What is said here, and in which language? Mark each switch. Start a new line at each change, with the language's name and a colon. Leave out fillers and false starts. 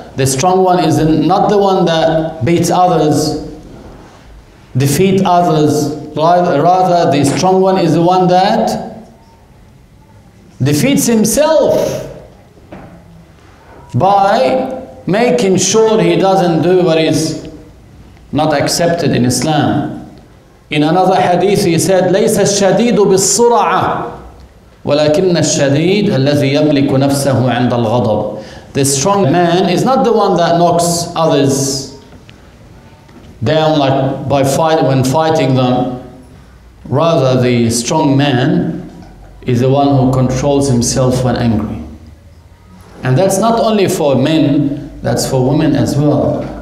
English: The strong one is not the one that beats others, defeat others. Rather, the strong one is the one that defeats himself by making sure he doesn't do what is not accepted in Islam. In another hadith, he said,
Arabic: "ليس الشديد بالسرعة ولكن الشديد الذي يملك نفسه عند الغضب."
English: The strong man is not the one that knocks others down like by fight when fighting them. Rather, the strong man is the one who controls himself when angry. And that's not only for men, that's for women as well.